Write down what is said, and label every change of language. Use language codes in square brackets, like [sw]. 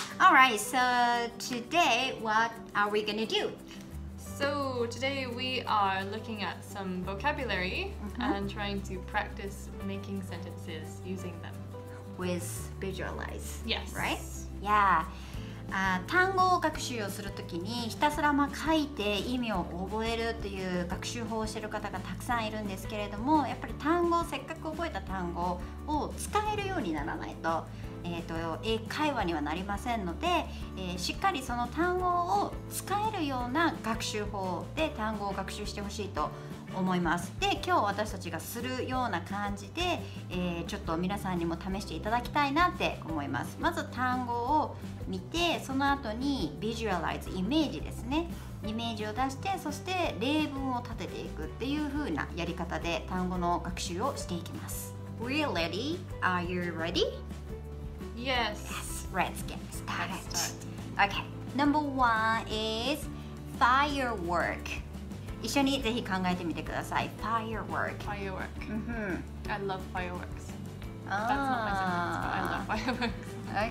[en] Alright, so today, what are we gonna do? So today we are looking at some vocabulary mm-hmm. and trying to practice making sentences using them. With visualize. Yes. Right? Yeah. [ja] 単語を学習をするときにひたすらまあ書いて意味を覚えるという学習法をしている方がたくさんいるんですけれども、やっぱり単語、せっかく覚えた単語を使えるようにならない と、英会話にはなりませんので、しっかりその単語を使えるような学習法で単語を学習してほしいと思います。で、今日私たちがするような感じで、ちょっと皆さんにも試していただきたいなって思います。まず単語を見て、その後にビジュアライズ、イメージですね、イメージを出して、そして例文を立てていくっていう風なやり方で単語の学習をしていきます。 [en] We're ready? Are you ready? Yes. Yes, let's get started. Let's start. Okay, number one is firework. [ja] 一緒にぜひ考えてみてください。 [en] Firework. Firework. Mm-hmm. I love fireworks. That's not my sentence, but I love fireworks.